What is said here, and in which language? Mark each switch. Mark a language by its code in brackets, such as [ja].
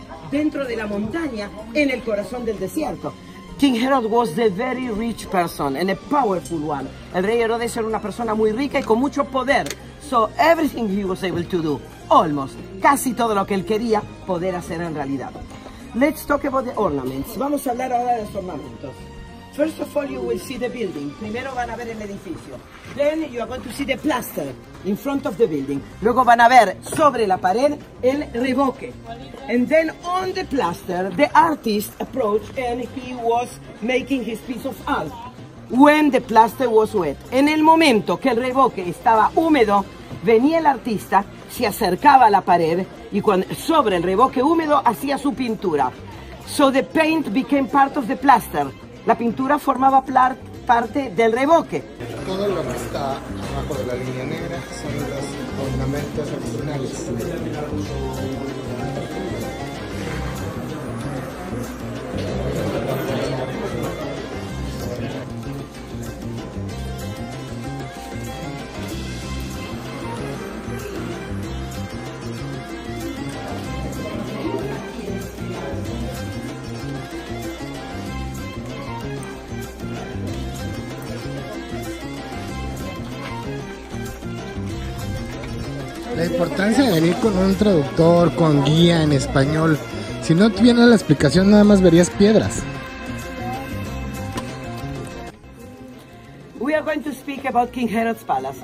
[es] Dentro de la montaña, en el corazón del desierto. [en] King Herod was a very rich person and a powerful one. [es] El rey Herodes era una persona muy rica y con mucho poder. [en] So everything he was able to do, almost, [es] casi todo lo que él quería poder hacer en realidad. [en] Let's talk about the ornaments. [es] Vamos a hablar ahora de los ornamentos. [en] First of all, you will see the building. [es] Primero van a ver el edificio. [en] Then you are going to see the plaster in front of the building. [es] Luego van a ver sobre la pared el revoque. [en] And then on the plaster, the artist approached and he was making his piece of art. When the plaster was wet. [es] En el momento que el revoque estaba húmedo, venía el artista, se acercaba a la pared y cuando, sobre el revoque húmedo hacía su pintura. [en] So the paint became part of the plaster. [es] La pintura formaba parte del revoque. Todo lo que está abajo de la línea negra son los ornamentos originales. La importancia de venir con un traductor, con guía en español. Si no tuviera la explicación, nada más verías piedras. [en] We are going to speak about King Herod's Palace.